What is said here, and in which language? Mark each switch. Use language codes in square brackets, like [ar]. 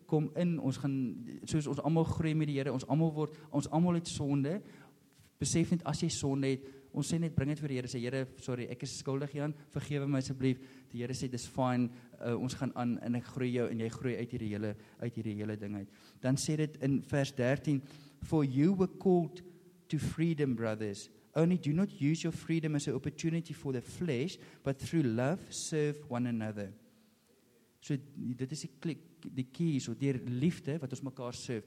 [af] Kom in, ons gaan, soos ons allemaal groei met die Here, ons allemaal word, ons allemaal het sonde. Besef net, as jy sonde het, ons sê net, bring het vir die Here, sê, Here, sorry, ek is skuldig, Jan, vergewe my asseblief, die Here sê, dis fine, ons gaan aan, en ek groei jou, en jy groei uit hierdie hele ding uit. Dan sê dit in vers 13, [en] for you were called to freedom, brothers, only do not use your freedom as an opportunity for the flesh, but through love, serve one another. [af] So, dit is die keys, of die liefde, wat ons mekaar serve.